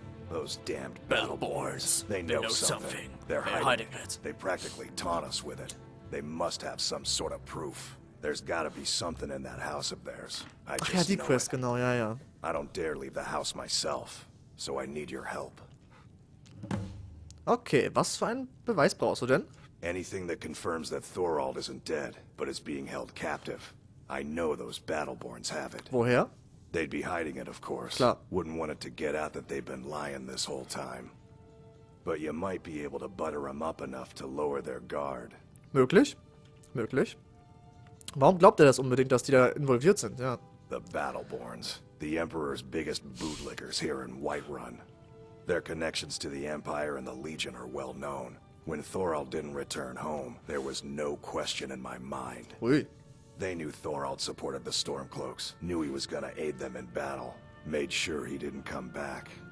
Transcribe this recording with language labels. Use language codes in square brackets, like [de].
[en] Those damned Battleborns. They know something. They're hiding it. They practically taunt us with it. They must have some sort of proof. There's gotta be something in that house of theirs. I don't dare leave the house myself, so I need your help. [de] Okay, was für einen Beweis brauchst du denn? [en] Anything that confirms that Thorald isn't dead, but is being held captive. I know those Battleborns have it. [de] Woher? [en] They'd be hiding it, of course. [de] Klar. [en] Wouldn't want it to get out that they've been lying this whole time. But you might be able to butter them up enough to lower their guard. [de] Möglich? Möglich. Warum glaubt er das unbedingt, dass die da involviert sind? Ja. [en] The Battleborns, the Emperor's biggest bootlickers here in Whiterun. Their connections to the Empire and the Legion are well known. When Thorald didn't return home, there was no question in my mind. [fr] Oui. [en] They knew Thorald supported the Stormcloaks, knew he was gonna aid them in battle, made sure he didn't come back.